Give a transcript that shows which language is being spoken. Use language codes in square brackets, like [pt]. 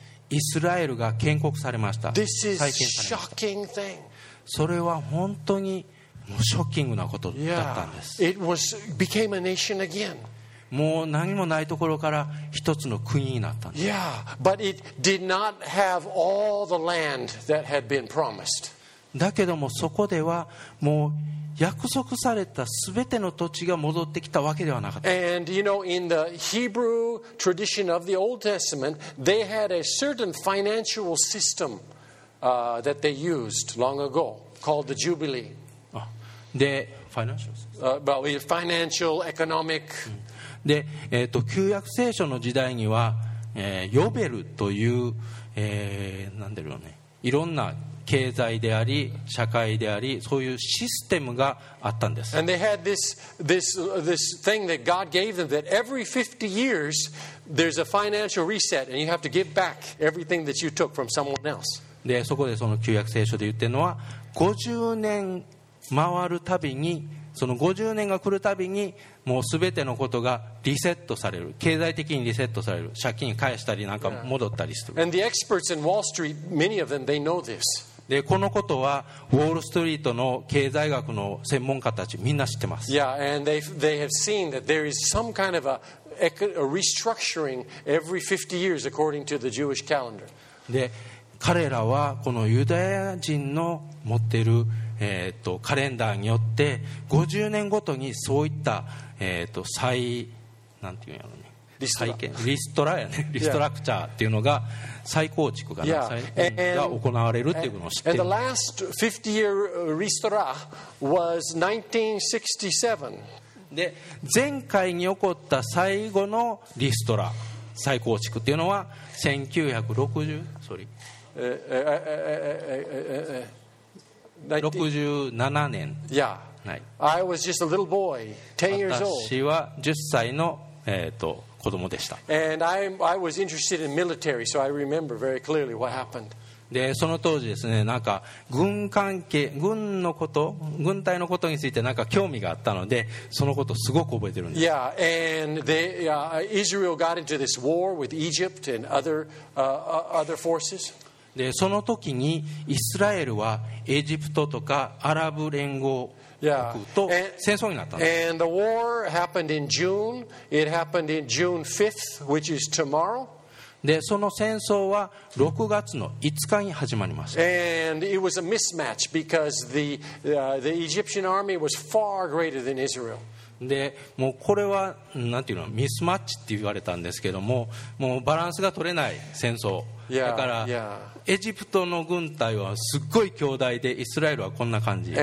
[ja] にイスラエルが建国されました。 [en] This is shocking thing. [ja] それは本当にもうショッキングなことだったんです。 [en] Yeah. It was became a nation again. [ja] もう何もないところから一つの国になったんです。 [en] Yeah, but it did not have all the land that had been promised. [ja] だけどもそこではもう約束された全ての土地が戻ってきたわけではなかった。 [en] And you know, in the Hebrew tradition of the Old Testament, they had a certain financial system, that they used long ago, called the Jubilee. で、financial system. Well, financial, economic. [ja] で、旧約聖書の時代には、ヨベルという、なんだろうね、いろんな経済であり社会でありそういうシステムがあったんです。 [en] And they had this thing that God gave them that every 50 years there's a financial reset and you have to give back everything that you took from someone else. [ja] でそこでその旧約聖書で言ってるのは50年回るたびにその50年が来るたびにもう全てのことがリセットされる、経済的にリセットされる、借金返したりなんか戻ったりする。 [en] And the experts in Wall Street, many of them, they know this. [ja] でこのことはウォールストリートの経済学の専門家たちみんな知ってます。 [en] Yeah, and they have seen that there is some kind of a restructuring every 50 years according to the Jewish calendar. [ja] で彼らはこのユダヤ人の持っているカレンダーによって50年ごとにそういった、再なんていうんやろね、再建リストラやね、リストラクチャーっていうのが再構築が、 yeah. が行われるっていうのを知ってる。 [en] And the last 50 year ristora was 1967. [ja] で前回に起こった最後のリストラ再構築っていうのは1967年。 [en] Yeah. I was just a little boy, 10 years old. [ja] 私は10歳の、子供でした。 [en] And I was interested in military, so I remember very clearly what happened. [ja] で、その当時ですね、なんか軍関係、軍のこと、軍隊のことについてなんか興味があったので、そのことすごく覚えてるんです。 Yeah. [en] And they, Israel got into this war with Egypt and other, other forces. [ja] で、その時にイスラエルはエジプトとかアラブ連合国と戦争になったんです。 [en] And the war happened in June. It happened in June 5th, which is tomorrow. [ja] で、その戦争は6月の5日に始まりました。 [en] And it was a mismatch because the Egyptian army was far greater than Israel. [ja] で、もうこれはなんていうの、ミスマッチって言われたんですけども、もうバランスが取れない戦争。だから、 yeah, yeah. エジプトの軍隊はすっごい強大で、イスラエルはこんな感じ。